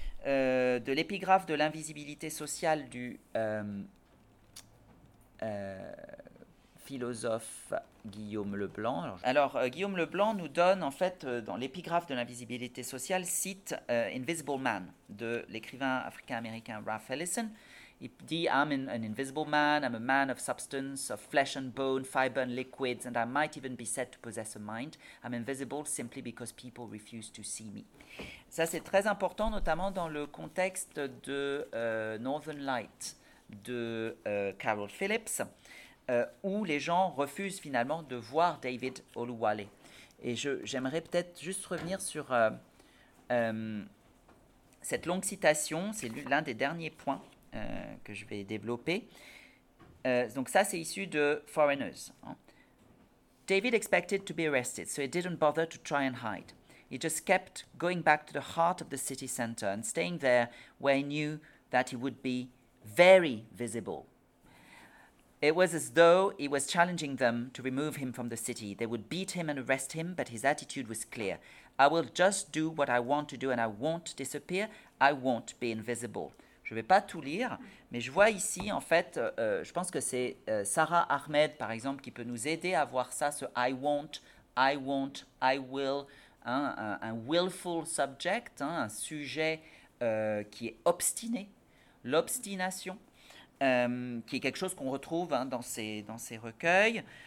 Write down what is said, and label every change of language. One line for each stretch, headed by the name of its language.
French: De l'épigraphe de l'invisibilité sociale du philosophe Guillaume Leblanc. Alors, Guillaume Leblanc nous donne, en fait, dans l'épigraphe de l'invisibilité sociale, cite Invisible Man de l'écrivain africain-américain Ralph Ellison. Il dit:
English: I'm an invisible man, I'm a man of substance, of flesh and bone, fiber and liquids, and I might even be said to possess a mind. I'm invisible simply because people refuse to see me.
French: Ça, c'est très important, notamment dans le contexte de Northern Light de Carol Phillips, où les gens refusent finalement de voir David Oluwole. Et j'aimerais peut-être juste revenir sur cette longue citation, c'est l'un des derniers points. Que je vais développer. Donc ça, c'est issu de Foreigners.
English: David expected to be arrested, so he didn't bother to try and hide. He just kept going back to the heart of the city center and staying there where he knew that he would be very visible. It was as though he was challenging them to remove him from the city. They would beat him and arrest him, but his attitude was clear. I will just do what I want to do and I won't disappear. I won't be invisible.
French: Je ne vais pas tout lire, mais je vois ici, en fait, je pense que c'est Sarah Ahmed, par exemple, qui peut nous aider à voir ça, ce
English: I won't, I will,
French: hein, un willful subject, hein, un sujet qui est obstiné, l'obstination, qui est quelque chose qu'on retrouve hein, dans ces recueils.